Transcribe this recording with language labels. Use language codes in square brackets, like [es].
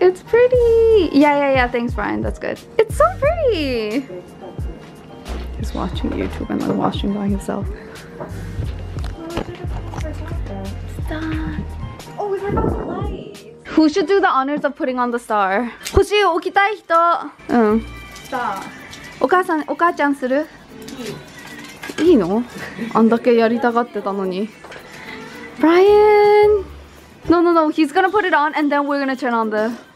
[en] It's pretty. Yeah. Thanks, Brian. That's good. It's so pretty. He's watching YouTube and then watching by himself. Stop. Oh, is there about the light? Who should do the honors of putting on the star? [ja] 星を置きたい人。うん。さあ。お母さん、お母ちゃんする？いい。いいの？あんだけやりたがってたのに。 [en] Brian。 No, no, no. He's gonna put it on, and then we're gonna turn on the.